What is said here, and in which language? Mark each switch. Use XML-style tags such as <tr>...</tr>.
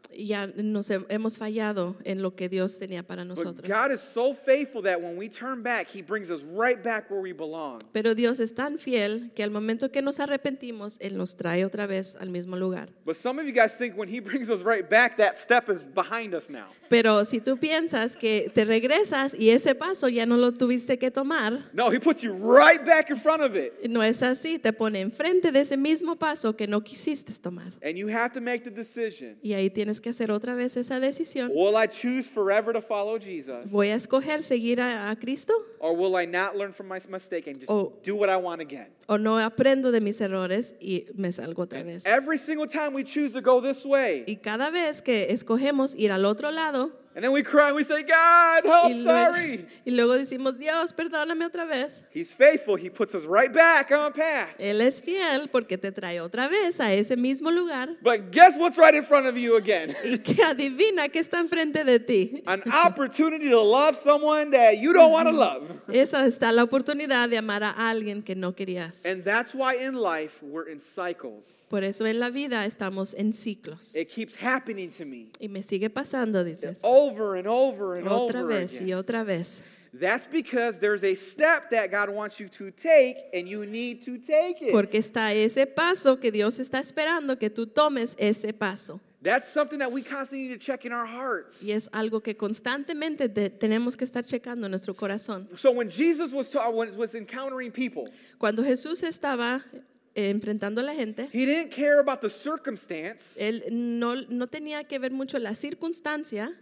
<es>Ya nos hemos fallado en lo que Dios tenía para nosotros.</es> <en>God is so faithful that when we turn back, he brings us right back where we belong.</en> <es>Pero Dios es tan fiel que al momento que nos arrepentimos, él nos trae otra vez al mismo lugar.</es> <en>But some of you guys think when he brings us right back, that step is behind us now.</en> <es>Pero si tú piensas que te regresas y ese paso ya no lo tuviste que tomar.</es> <en>No, he puts you right back in front of it.</en> <es>No es así, te pone enfrente de ese mismo paso que no quisiste tomar.</es> <en>And you have to make the decision.</en> <es>Y ahí tienes que hacer otra vez esa decisión.</es> <en>Will I choose forever to follow Jesus?</en> <es>¿Voy a escoger seguir a Cristo?</es> <en>Or will I not learn from my mistake and just do what I want again?</en> <es>¿O no aprendo de mis errores y me salgo otra vez?</es> <en>Every single time we choose to go this way.</en> <es>Y cada vez que escogemos ir al otro lado.</es> <en>And then we cry and we say, God, help, sorry.</en> <es>Y luego decimos, Dios, perdóname otra vez.</es> <en>He's faithful. He puts us right back on path.</en> <es>Él es fiel porque te trae otra vez a ese mismo lugar.</es> <en>But guess what's right in front of you again?</en> <es>Y que adivina qué está enfrente de ti.</es> <en>An opportunity to love someone that you don't want to love.</en> <es>Esa está la oportunidad de amar a alguien que no querías.</es> <en>And that's why in life we're in cycles.</en> <es>Por eso en la vida estamos en ciclos.</es> <en>It keeps happening to me.</en> <es>Y me sigue pasando, dices.</es> <en>Over and over and</en> <es>otra</es> <en>over</en> <es>vez,</es> <en>again.</en> <es>Y otra vez.</es> <en>That's because there's a step that God wants you to take, and you need to take it.</en> <es>Porque está ese paso que Dios está esperando que tú tomes ese paso.</es> <en>That's something that we constantly need to check in our hearts.</en> <es>Y es algo que constantemente tenemos que estar checando en nuestro corazón.</es> <en>So when Jesus was encountering people,</en> <es>cuando Jesús estaba enfrentando a la gente.</es> <en>He didn't care about the circumstance.</en> <es>Él no tenía que ver mucho la circunstancia.</es>